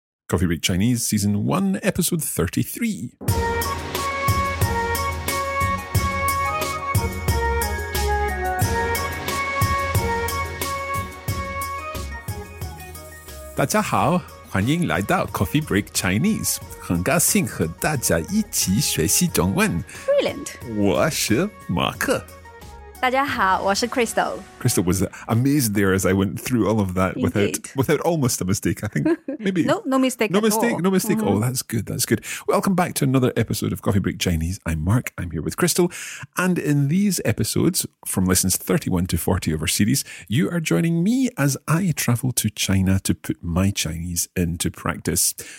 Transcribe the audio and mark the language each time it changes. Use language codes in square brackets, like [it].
[en] Coffee Break Chinese, Season 1, Episode 33. [zh] 大家好。欢迎来到Coffee Break Chinese. 很高兴和大家一起学习中文. [en] Brilliant. [zh] 我是马克. 大家好,我是Crystal. [en] Crystal was amazed there as I went through all of that without almost a mistake. I think maybe no mistake. Mm-hmm. Oh, that's good. Welcome back to another episode of Coffee Break Chinese. I'm Mark. I'm here with Crystal, and in these episodes from lessons 31 to 40 of our series, you are joining me as I travel to China to put my Chinese into practice.